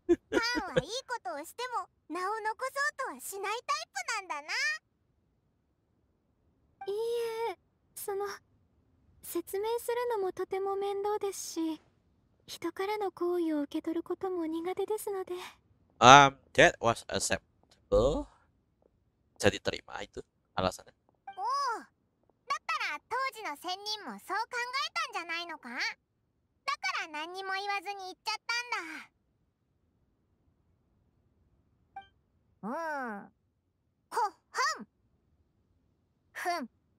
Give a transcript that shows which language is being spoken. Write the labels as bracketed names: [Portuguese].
[Japanese] カンはいいことをしても名を残そうとはしないタイプなんだな。いいえ、その説明するのもとても面倒ですし、人からの好意を受け取ることも苦手ですので。 [English] That was acceptable. [Indonesian] Jadi terima itu alasannya. [Japanese] Oh, だから当時の仙人もそう考えたんじゃないのか？だから何にも言わずに行っちゃったんだ。ほっ、ふん。